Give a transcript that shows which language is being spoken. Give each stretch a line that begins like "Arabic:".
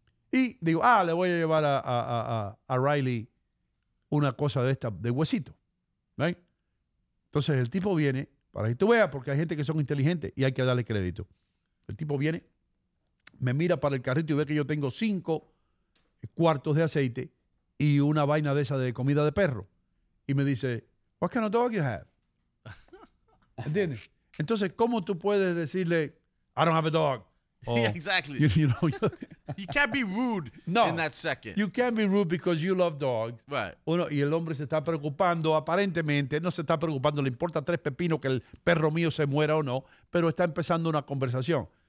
Spanish: Y digo, ah, le voy a llevar a Riley una cosa de esta, de huesito. ¿Right? Entonces el tipo viene, para que tú veas, porque hay gente que son inteligentes y hay que darle crédito. El tipo viene, me mira para el carrito y ve que yo tengo 5 cuartos de aceite y una vaina de esa de comida de perro. Y me dice,
English: what kind of dog you have?
Spanish: ¿Entiendes? Entonces, ¿cómo tú puedes decirle,
English: I don't have a dog? Oh, yeah, exactly. You know, you can't be rude no, in that second. You can't be rude because you love dogs. Right.
Spanish: Uno, y el hombre se está preocupando, aparentemente, no se está preocupando, le importa 3 pepinos que el perro mío se muera o no, pero está empezando una conversación.